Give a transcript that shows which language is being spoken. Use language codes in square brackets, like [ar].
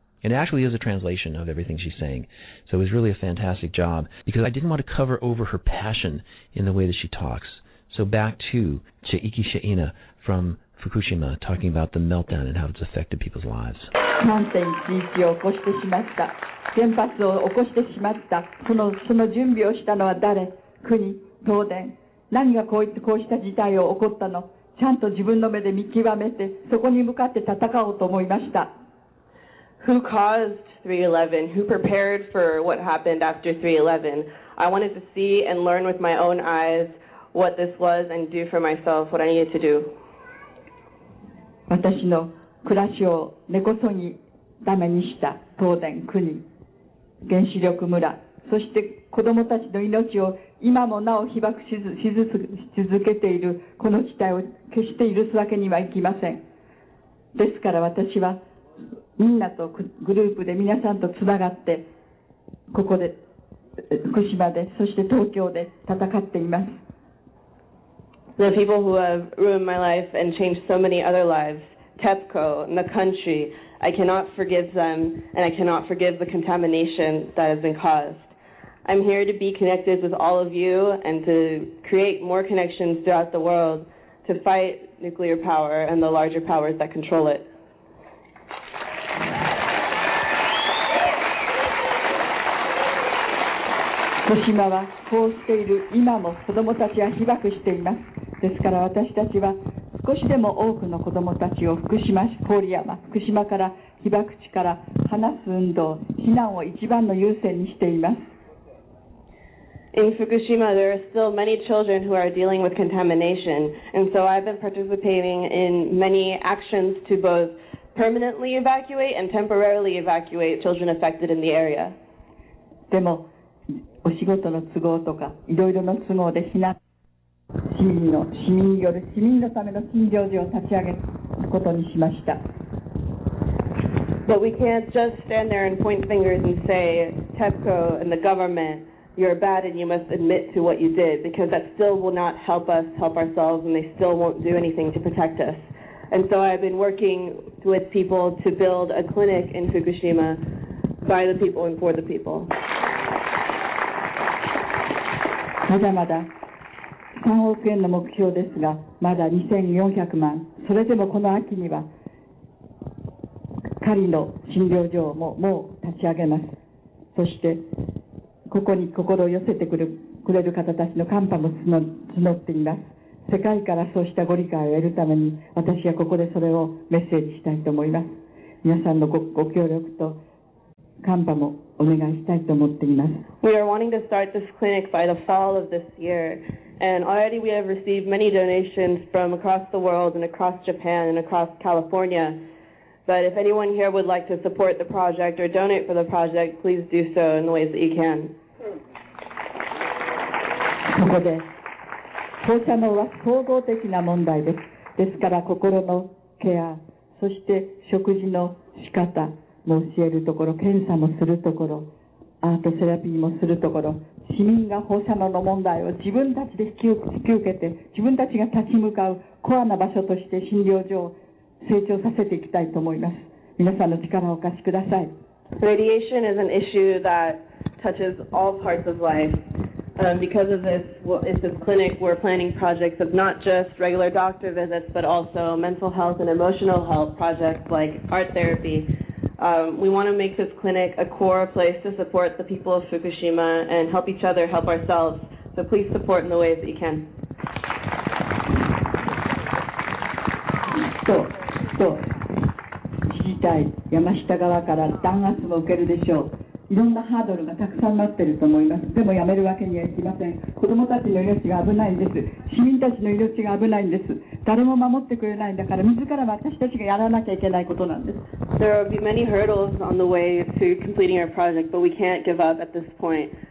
[en] It actually is a translation of everything she's saying. So it was really a fantastic job, because I didn't want to cover over her passion in the way that she talks. So back to Chieko Shiina from Fukushima, talking about the meltdown and how it's affected people's lives. [ja] 3.11 を起こしてしまった。原発を起こしてしまった。その準備をしたのは誰？国、東電。何がこうした事態を起こったの？ちゃんと自分の目で見極めて、そこに向かって戦おうと思いました。 [en] Who caused 3.11? Who prepared for what happened after 3.11? I wanted to see and learn with my own eyes what this was and do for myself what I needed to do. [ja] 私の暮らしを根こそぎダメにした東電、国、原子力村、そして子どもたちの命を今もなお被爆し続けているこの事態を決して許すわけにはいきません。ですから私はみんなとグループで皆さんとつながってここで福島でそして東京で戦っています。 [en] The people who have ruined my life and changed so many other lives, TEPCO and the country, I cannot forgive them and I cannot forgive the contamination that has been caused. I'm here to be connected with all of you and to create more connections throughout the world to fight nuclear power and the larger powers that control it. [ja] Fukushima はこうしている今も子どもたちは被爆しています。ですから私たちは少しでも多くの子どもたちを福島、郡山、福島から被爆地から離す運動、避難を一番の優先にしています。 [en] In Fukushima, there are still many children who are dealing with contamination, and so I've been participating in many actions to both permanently evacuate and temporarily evacuate children affected in the area. [ja] でもお仕事の都合とかいろいろの都合で避難市民のための診療所を立ち上げることにしました。 [en] But we can't just stand there and point fingers and say, TEPCO and the government, you're bad and you must admit to what you did, because that still will not help us help ourselves and they still won't do anything to protect us. And so I've been working with people to build a clinic in Fukushima by the people and for the people. [ja] まだまだ3億円の目標ですが、まだ2,400万。それでもこの秋には、仮の診療所をもう立ち上げます。そして、ここに心を寄せてくれる方たちの感化も募っています。世界からそうしたご理解を得るために、私はここでそれをメッセージしたいと思います。皆さんの ご協力と、 [en] We are wanting to start this clinic by the fall of this year, and already we have received many donations from across the world and across Japan and across California. But if anyone here would like to support the project or donate for the project, please do so in the ways that you can. [ja] ここで放射能は総合的な問題です。ですから心のケア、そして食事の仕方。教えるところ、検査もするところ、アートセラピーもするところ、市民が放射能の問題を自分たちで引き受けて、自分たちが立ち向かうコアな場所として診療所を成長させていきたいと思います。皆さんの力をお貸しください。 [en] Radiation is an issue that touches all parts of life. Because of this, it's this clinic we're planning projects of not just regular doctor visits, but also mental health and emotional health projects like art therapy. We want to make this clinic a core place to support the people of Fukushima and help each other, help ourselves. So please support in the ways that you can. [ja] So, 知事会山下側から弾圧も受けるでしょう。いろんなハードルがたくさん待ってると思います。でもやめるわけにはいきません。子どもたちの命が危ないんです。市民たちの命が危ないんです。誰も守ってくれないんだから、自ら私たちがやらなきゃいけないことなんです。 [en] There will be many hurdles on the way to completing our project, but we can't give up at this point.